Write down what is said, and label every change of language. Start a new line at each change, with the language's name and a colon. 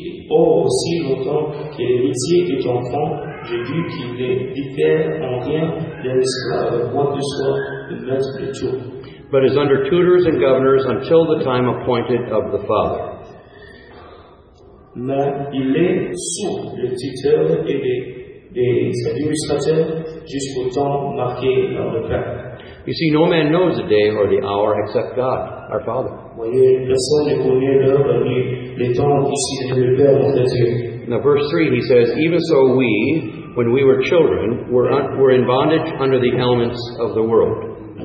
French: Aussi longtemps qu'il est métier et enfant, j'ai vu qu'il ne diffère en rien d'un esclave, quoi que soit le maître de tout.
English: But is under tutors and governors until the time appointed of the Father.
French: Mais il est sous le tuteur et des administrateurs jusqu'au temps marqué par le Père.
English: You see, no man knows the day or the hour except God, our Father. Now, verse 3, he says, even so we, when we were children, were in bondage under the elements of the world.